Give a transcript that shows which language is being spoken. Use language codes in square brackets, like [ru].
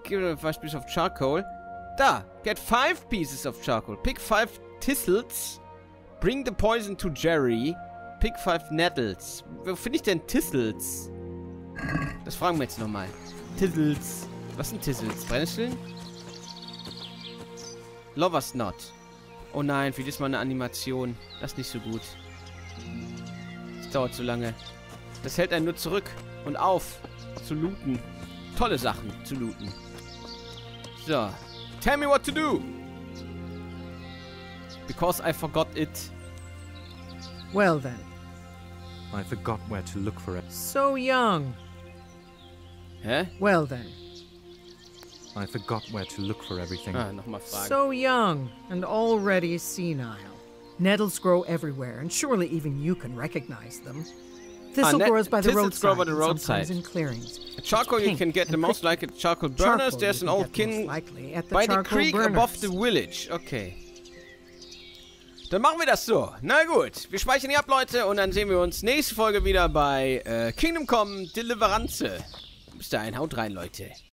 [en] Give him 5 pieces of charcoal. Da! Get 5 pieces of charcoal. Pick 5 thistles. Bring the poison to Jerry. Pick 5 nettles. [de] Wo finde ich denn thistles? Das fragen wir jetzt nochmal. Thistles. Was sind thistles? Brennnesseln? [en] Lover's Knot. [de] Oh nein, für diesmal eine Animation. Das ist nicht so gut. Das dauert zu lange. Das hält einen nur zurück und auf zu looten. Tolle Sachen zu looten. So. [en] Tell me what to do. Because I forgot it. Well then. I forgot where to look for it. So young. Hä? Well then. I forgot where to look for everything. [de] Ah, noch mal fragen. [en] So young and already senile. Nettles grow everywhere and surely even you can recognize them. Thistle grows by the roadside. In clearings. Charcoal you can get the most likely charcoal burners. There's an old kin by the creek above the village. [de] Okay. Dann machen wir das so. Na gut, wir speichern hier ab, Leute, und dann sehen wir uns nächste Folge wieder bei Kingdom Come Deliverance. Bis dahin, haut rein, Leute.